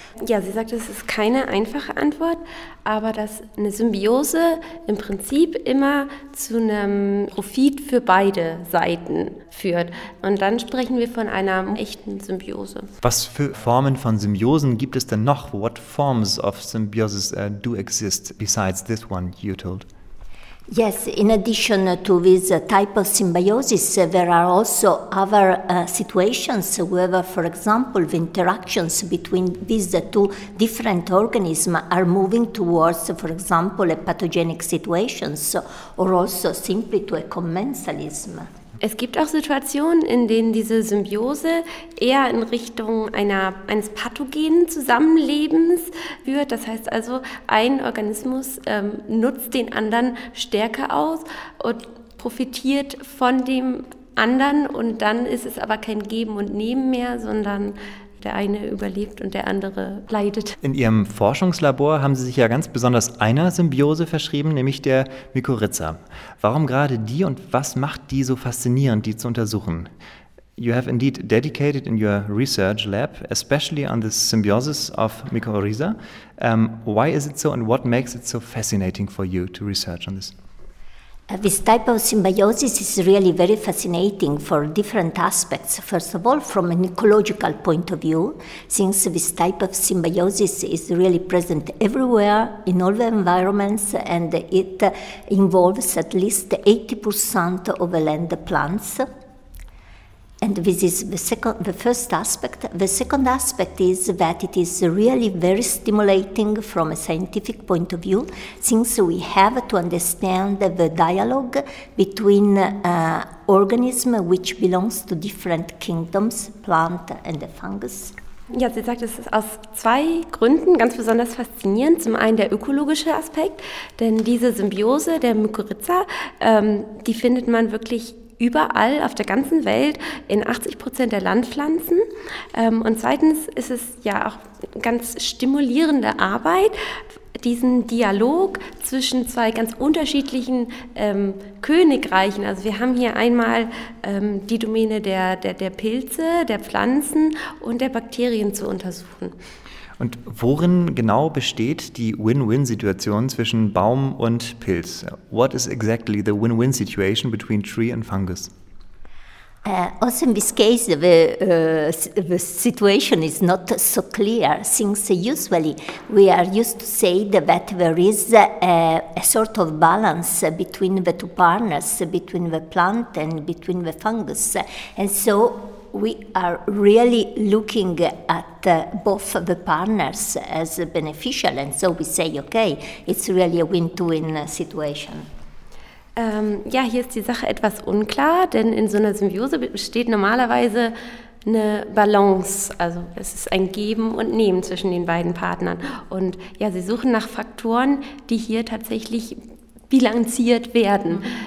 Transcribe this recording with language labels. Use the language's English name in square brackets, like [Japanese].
[German] Ja, sie sagt, es ist keine einfache Antwort, aber dass eine Symbiose im Prinzip immer zu einem Profit für beide Seiten führt. Und dann sprechen wir von einer echten Symbiose. Was für Formen von Symbiosen gibt es denn noch? [English] What forms of symbiosis do exist besides this one you told? Yes, in addition to this type of symbiosis, there are also other situations where, for example, the interactions between these two different organisms are moving towards, for example, a pathogenic situation, or also simply to a commensalism. [German] Es gibt auch Situationen, in denen diese Symbiose eher in Richtung eines pathogenen Zusammenlebens führt. Das heißt also, ein Organismus nutzt den anderen stärker aus und profitiert von dem anderen. Und dann ist es aber kein Geben und Nehmen mehr, sondern der eine überlebt und der andere leidet. In Ihrem Forschungslabor haben Sie sich ja ganz besonders einer Symbiose verschrieben, nämlich der Mykorrhiza. Warum gerade die und was macht die so faszinierend, die zu untersuchen? [English] You have indeed dedicated in your research lab, especially on the symbiosis of Mykorrhiza. Why is it so and what makes it so fascinating for you to research on this? This type of symbiosis is really very fascinating for different aspects. First of all, from an ecological point of view, since this type of symbiosis is really present everywhere in all the environments, and it involves at least 80% of the land plants. And this is the first aspect. The second aspect is that it is really very stimulating from a scientific point of view, since we have to understand the dialogue between organisms which belongs to different kingdoms, plant and the fungus. [German] Ja, sie sagt, es ist aus zwei Gründen ganz besonders faszinierend. Zum einen der ökologische Aspekt, denn diese Symbiose der Mykorrhiza, die findet man wirklich überall auf der ganzen Welt in 80% der Landpflanzen. Und zweitens ist es ja auch ganz stimulierende Arbeit, diesen Dialog zwischen zwei ganz unterschiedlichen Königreichen. Also wir haben hier einmal die Domäne der Pilze, der Pflanzen und der Bakterien zu untersuchen. Und worin genau besteht die Win-Win-Situation zwischen Baum und Pilz? [English] What is exactly the Win-Win situation between tree and fungus? Also in this case, the situation is not so clear, since usually we are used to say that there is a sort of balance between the two partners, between the plant and between the fungus. And so we are really looking at both the partners as beneficial, and so we say, okay, it's really a win-win situation. [German] Ja, hier ist die Sache etwas unklar, denn in so einer Symbiose besteht normalerweise eine Balance, also es ist ein Geben und Nehmen zwischen den beiden Partnern. Und ja, sie suchen nach Faktoren, die hier tatsächlich bilanziert werden.